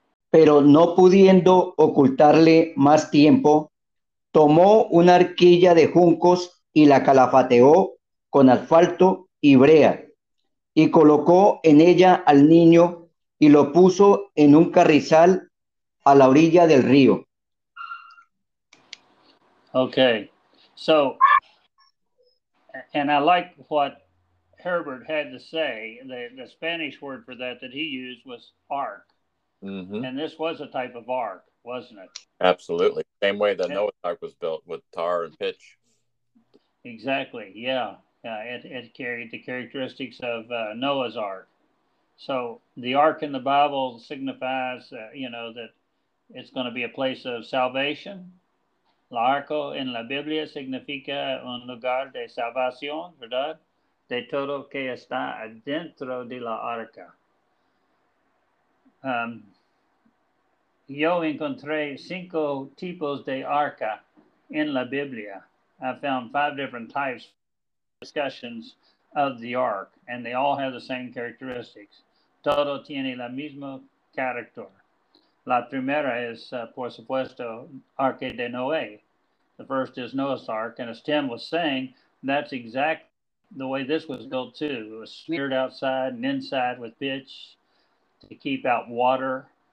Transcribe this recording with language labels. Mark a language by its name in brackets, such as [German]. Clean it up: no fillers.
[Spanish] Pero no pudiendo ocultarle más tiempo, tomó una arquilla de juncos y la calafateó con asfalto y brea, y colocó en ella al niño y lo puso en un carrizal a la orilla del río. [English] Okay, so, and I like what Herbert had to say. The Spanish word for that that he used was ark. Mm-hmm. And this was a type of ark, wasn't it? Absolutely. Same way that Noah's ark was built with tar and pitch. Exactly, yeah. It carried the characteristics of Noah's ark. So the ark in the Bible signifies, that it's going to be a place of salvation. [Spanish] El arco en la Biblia significa un lugar de salvación, ¿verdad? De todo que está adentro de la arca. Yo encontré cinco tipos de arca en la Biblia. [English] I found five different types of discussions of the ark, and they all have the same characteristics. [Spanish] Todo tiene la misma carácter. La primera es, por supuesto, Arca de Noé. [English] The first is Noah's Ark, and as Tim was saying, that's exactly the way this was built, too. It was smeared outside and inside with pitch to keep out water.